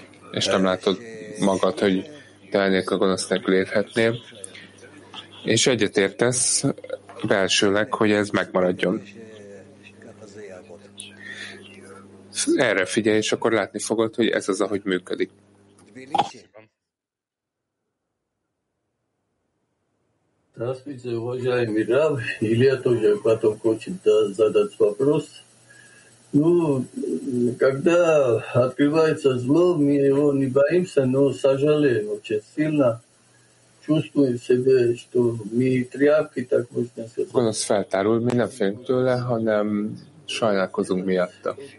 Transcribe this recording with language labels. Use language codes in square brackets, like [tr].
[hu] És nem látod magad, hogy te elnélkül gonosz nélkül élhetnél. És egyetértesz belsőleg, hogy ez megmaradjon. Erre figyelj, és akkor látni fogod, hogy ez az, ahogy működik. [ru] Здравствуйте, уважаемый Рав. Илья тоже потом хочет задать вопрос. Ну, когда открывается зло, мы его не боимся, но сожалеем очень сильно, [hu] A gonosz feltárul, mi nem félünk tőle, hanem sajnálkozunk miatta.